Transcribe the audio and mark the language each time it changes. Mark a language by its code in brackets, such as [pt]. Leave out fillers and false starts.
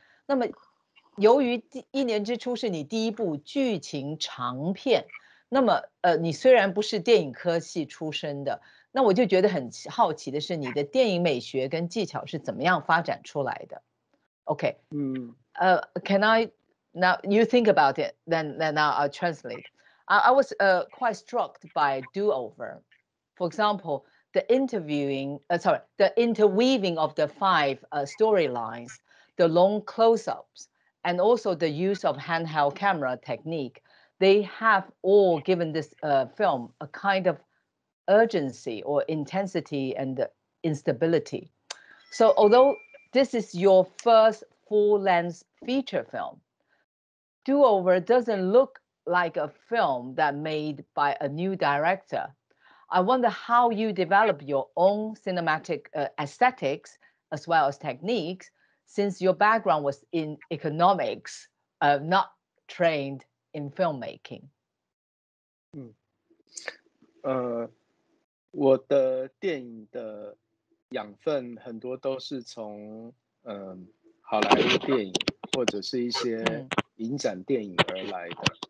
[zh] 那么由于一年之初是你第一部剧情长片，那么你虽然不是电影科系出身的，那我就觉得很好奇的是你的电影美学跟技巧是怎么样发展出来的。 [en] OK, can I now you think about it, then I'll translate. I was quite struck by do-over. For example, the interweaving of the five storylines, the long close-ups,and also the use of handheld camera technique, they have all given this film a kind of urgency or intensity and instability. So although this is your first full-length feature film, Do-Over doesn't look like a film that made by a new director. I wonder how you develop your own cinematic aesthetics as well as techniques,since your background was in economics, not trained in filmmaking. [zh] 我的电影的养分很多都是从好莱坞电影或者是一些影展电影而来的。